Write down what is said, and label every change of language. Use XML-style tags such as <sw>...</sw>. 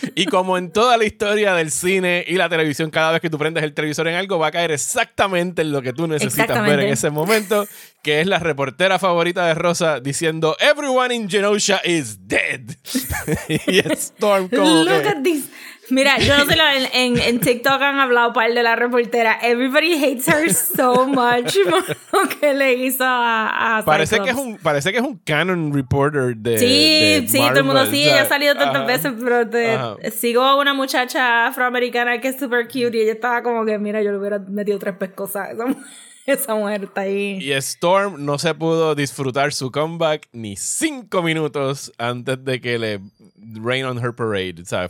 <es>Y como en toda la historia del cine y la televisión, cada vez que tú prendes el televisor en algo, va a caer exactamente en lo que tú necesitas ver en ese momento. Que es la reportera favorita de Rosa diciendo,</es> <en>everyone in Genosha is dead.</en> <es>Y Storm como</es> <en>look</en> <es>que...</es> <en>at this.</en> <es>Mira, yo no sé, en TikTok han hablado par de la reportera.</es> <en>Everybody hates her so much.</en> <es>Que le hizo a parece que es un parece que es un</es> <en>canon reporter</en> <es>de sí, de sí, todo el mundo. Sí, ella ha salido tantas veces, pero sigo a una muchacha afroamericana que es</es> <en>super cute</en> <es>y ella estaba como que, mira, yo le hubiera metido 3 pescosas. Esa mujer está ahí. Y Storm no se pudo disfrutar su comeback ni 5 minutos antes de que le</es> <en>rain on her parade.</en> <es>¿Sabes?</es>